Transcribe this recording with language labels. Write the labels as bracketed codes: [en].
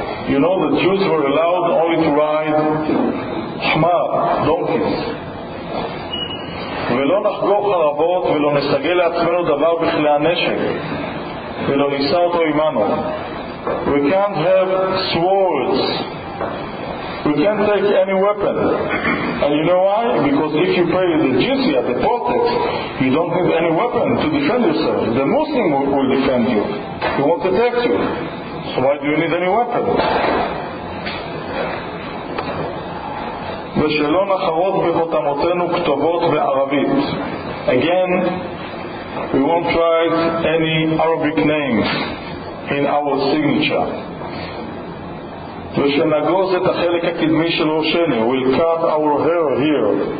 [en] You know the Jews were allowed only to ride חמר, donkeys. [he] ולא נחגור חרבות ולא נסגל לעצמנו דבר בכלי הנשק ולא ניסה אותו עמנו. [en] We can't have swords. We can't take any weapon. And you know why? Because if you pay the jizya, the portex, you don't have any weapon to defend yourself. The Muslim will defend you. He won't attack you. So why do you need any weapon? [he] ושלא נחרות בחותמותינו כתובות בערבית. [en] Again, we won't write any Arabic names in our signature. [he] ושנגוז את החלק הקדמי של ראשנו. [en] We'll cut our hair here.